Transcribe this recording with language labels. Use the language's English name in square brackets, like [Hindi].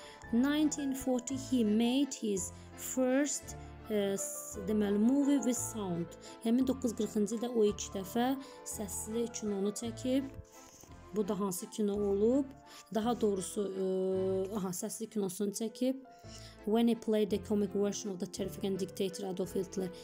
[English] 1940 he made his first deməli, movie with sound. [Azerbaijani] Yəni, 1940-cı ildə o iki dəfə səsli kinonu çəkib. Bu da hansı kino olub? Daha doğrusu, səsli kinosunu çəkib. [English] When he played the comic version of the terrific and dictator Adolf Hitler.